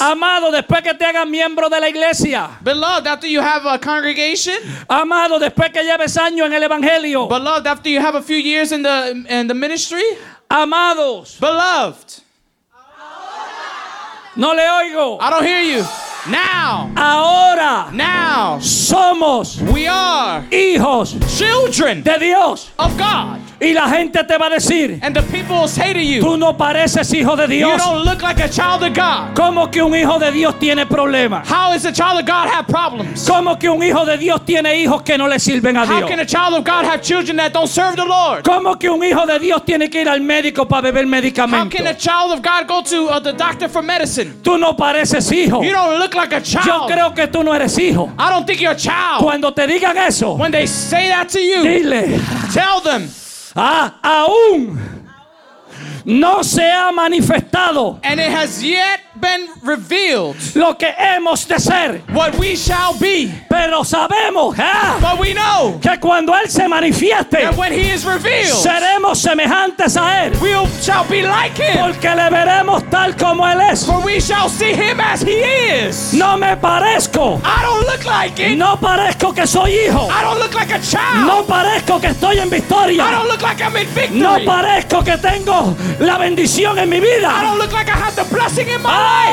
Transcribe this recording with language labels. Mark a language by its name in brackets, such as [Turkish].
[Spanish] Amado, después que te hagas miembro de la iglesia. [English] Beloved, after you have a congregation. [Spanish] Amado, después que lleves años en el evangelio. [English] Beloved, after you have a few years in the ministry. [Spanish] Amados. [English] Beloved. [Spanish] No le oigo. [English] I don't hear you. Now. [Spanish] Ahora. [English] Now. [Spanish] Somos. [English] We are. [Spanish] Hijos. [English] Children. [Spanish] De Dios. [English] Of God. [Spanish] Y la gente te va a decir, [English] and the people will say to you, [Spanish] tú no pareces hijo de Dios. [English] You don't look like a child of God. [Spanish] ¿Cómo que un hijo de Dios tiene problemas? [English] How is a child of God have problems? [Spanish] ¿Cómo que un hijo de Dios tiene hijos que no le sirven a Dios? [English] How can a child of God have children that don't serve the Lord? [Spanish] ¿Cómo que un hijo de Dios tiene que ir al médico para beber medicamento? [English] How can a child of God go to the doctor for medicine? [Spanish] Tú no pareces hijo. [English] You don't look like a child. [Spanish] Yo creo que tú no eres hijo. [English] I don't think you're a child. [Spanish] Cuando te digan eso, [English] when they say that to you, [Spanish] dile, [English] tell them. [Spanish] Aún no se ha manifestado. [English] And it has yet been revealed. [Spanish] Lo que hemos de ser. [English] What we shall be. [Spanish] Pero sabemos, [English] but we know [Spanish] que cuando él se manifieste, [English] that when he is revealed, [Spanish] seremos semejantes a él. [English] We shall be like him. [Spanish] Porque le veremos tal como él es. [English] For we shall see him as he is. [Spanish] No me parezco. [English] I don't look like it. [Spanish] No parezco que soy hijo. [English] I don't look like a child. [Spanish] No parezco que estoy en victoria. [English] I don't look like I'm in victory. [Spanish] No parezco que tengo la bendición en mi vida. [English] I don't look like I have the blessing in my life.